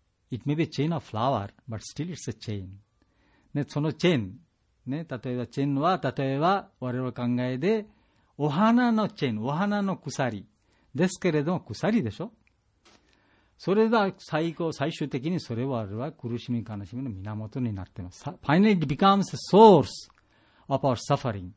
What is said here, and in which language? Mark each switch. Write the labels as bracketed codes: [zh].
[en] It may be a chain of flower, but still it's a chain. [ja] ね、そのチェーン、ね、例えばチェーンは、例えば我々の考えで、お花のチェーン、お花の鎖ですけれども、鎖でしょ。それが最高、最終的にそれは我々は苦しみ、悲しみの源になっています。 [en] Finally, it becomes a source of our suffering.